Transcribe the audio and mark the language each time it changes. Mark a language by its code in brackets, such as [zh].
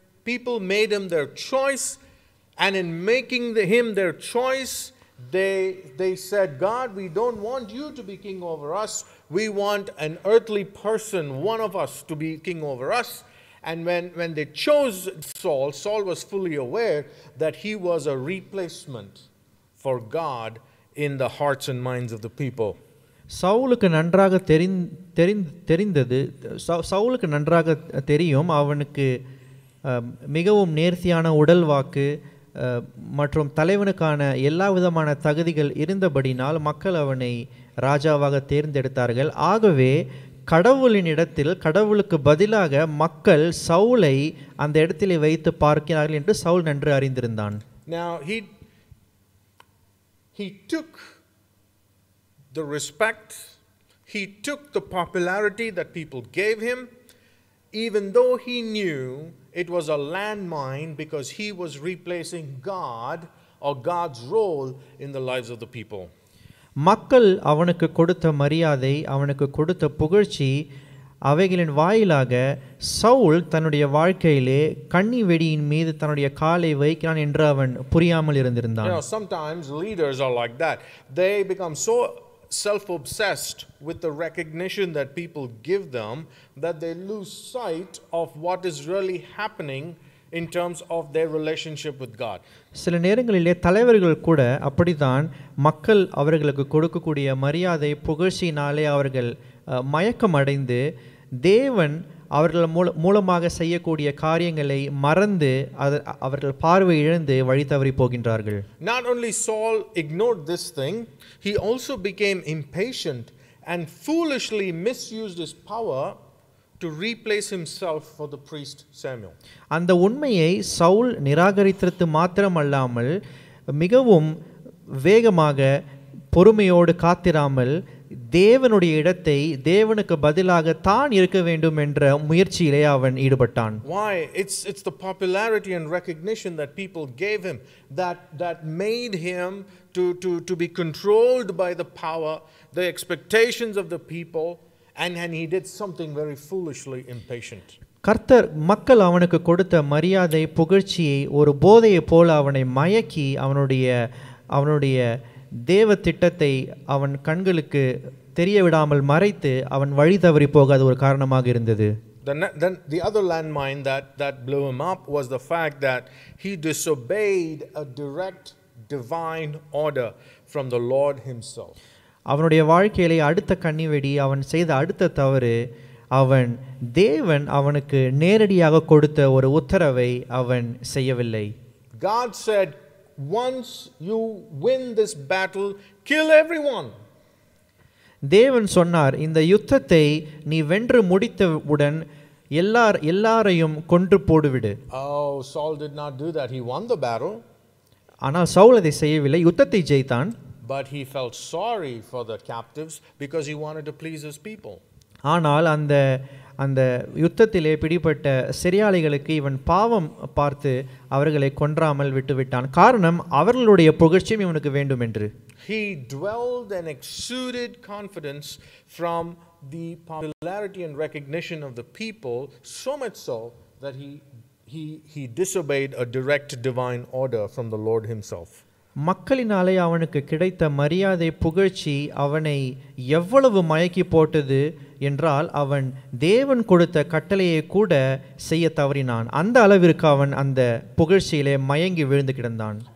[en] People made him their choice, and in making him their choice, they said, God, we don't want you to be king over us. We want an earthly person, one of us, to be king over us. And when they chose Saul, Saul was fully aware that he was a replacement for God in the hearts and minds of the people. [ta] சவுலுக்கு நன்றாக தெரிந்தது சவுலுக்கு நன்றாக தெரியும் அவனுக்கு மிகவும் நேர்த்தியான உடல் வாக்கு மற்றும் தலைவனுக்கான எல்லா விதமான தகுதிகள் இருந்தபடினால் மக்கள் அவனை ராஜாவாக தேர்ந்தெடுத்தார்கள். ஆகவே கடவுளின் இடத்தில் கடவுளுக்கு பதிலாக மக்கள் சவுலை அந்த இடத்தில் வைத்து பார்க்கிறார்கள் என்று சவுல் நன்று அறிந்திருந்தான். [en] Now he took the respect, he took the popularity that people gave him, even though he knew it was a landmine because he was replacing God or God's role in the lives of the people. [ta] மக்கள் அவனுக்கு கொடுத்த மரியாதை அவனுக்கு கொடுத்த புகழ்ச்சி அவைகளின் வாயிலாக சவுல் தன்னுடைய வாழ்க்கையிலே கண்ணி வெடியின் மீது தன்னுடைய காலை வைக்கிறான் என்று அவன் புரியாமல் இருந்திருந்தான். [en] You know, sometimes leaders are like that. They become so self-obsessed with the recognition that people give them that they lose sight of what is really happening in terms of their relationship with God. [ta] சில நேரங்களிலே தலைவர்கள் கூட அப்படித்தான் மக்கள் அவர்களுக்கு கொடுக்கக்கூடிய மரியாதை புகழ்ச்சியினாலே அவர்கள் மயக்கமடைந்து தேவன் அவர்கள் மூலமாக செய்யக்கூடிய காரியங்களை மறந்து அவர்கள் பார்வை இழந்து வழி தவறி போகின்றார்கள். [en] Not only Saul ignored this thing, he also became impatient and foolishly misused his power to replace himself for the priest Samuel. [ta] அந்த உண்மையை சவுல் நிராகரித்தது மாத்திரமல்லாமல் மிகவும் வேகமாக பொறுமையோடு காத்திராமல் தேவனுடைய இடத்தை தேவனுக்கு பதிலாக தான் இருக்க வேண்டும் என்ற முயற்சியிலே அவன் ஈடுபட்டான். [en] Why? It's the popularity and recognition that people gave him that made him to be controlled by the power, the expectations of the people, and he did something very foolishly impatient. [ta] கர்த்தர் மக்கள் அவனுக்கு கொடுத்த மரியாதை புகழ்ச்சியை ஒரு போதையை போல அவனை மயக்கி அவனுடைய தேவ திட்டத்தை அவன் கண்களுக்கு தெரிய விடாமல் மறைத்து அவன் வழி தவறி போகாத ஒரு காரணமாக இருந்தது. [en] The other landmine that blew him up was the fact that he disobeyed a direct divine order from the Lord himself. [ta] அவனுடைய வாழ்க்கையிலே அடுத்த கண்ணிவெடி அவன் செய்த அடுத்த தவறு அவன் தேவன் அவனுக்கு நேரடியாக கொடுத்த ஒரு உத்தரவை அவன் செய்யவில்லை. [en] God said, once you win this battle, kill everyone. [ta] தேவன் சொன்னார், இந்த யுத்தத்தை நீ வென்று முடித்தவுடன் எல்லாரையும் கொன்று போடுவிடு. [en] Oh, Saul did not do that. He won the battle. [ta] ஆனால் சவுல் அதை செய்யவில்லை, யுத்தத்தை ஜெயித்தான். [en] But he felt sorry for the captives because he wanted to please his people. [ta] ஆனால் அந்த யுத்தத்திலே பிடிபட்ட சிறையாளிகளுக்கு இவன் பாவம் பார்த்து அவர்களை கொன்றாமல் விட்டுவிட்டான். காரணம் அவர்களுடைய புகழ்ச்சியும் இவனுக்கு வேண்டும் என்று. [en] He dwelled and exuded confidence from the popularity and recognition of the people, so much so that he disobeyed a direct divine order from the Lord himself. [ta] மக்களினாலே அவனுக்கு கிடைத்த மரியாதை புகழ்ச்சி அவனை எவ்வளவு மயக்கி போட்டது என்றால் அவன் தேவன் கொடுத்த கட்டளையை கூட செய்ய தவறினான். அந்த அளவிற்கு அவன் அந்த புகழ்ச்சியிலே மயங்கி விழுந்து கிடந்தான்.